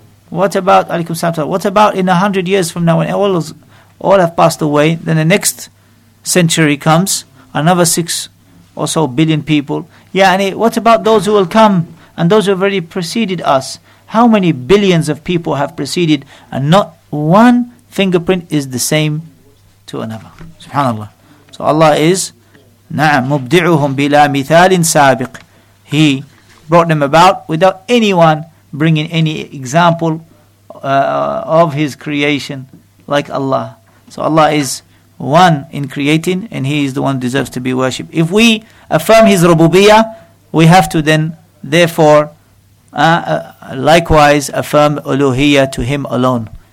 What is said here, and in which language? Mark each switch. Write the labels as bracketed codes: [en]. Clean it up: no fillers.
[en] What about, alaykum salam, what about in 100 years from now, when all have passed away, then the next century comes, another 6 or so billion people. Yeah, and what about those who will come, and those who have already preceded us? How many billions of people have preceded, and not one fingerprint is the same to another? SubhanAllah. So Allah is [ar] نعم مبدعهم بلا مثال سابق. [en] He brought them about without anyone bringing any example of his creation like Allah. So Allah is one in creating, and he is the one who deserves to be worshipped. If we affirm his rububiyyah, we have to then therefore likewise affirm uluhiyyah to him alone.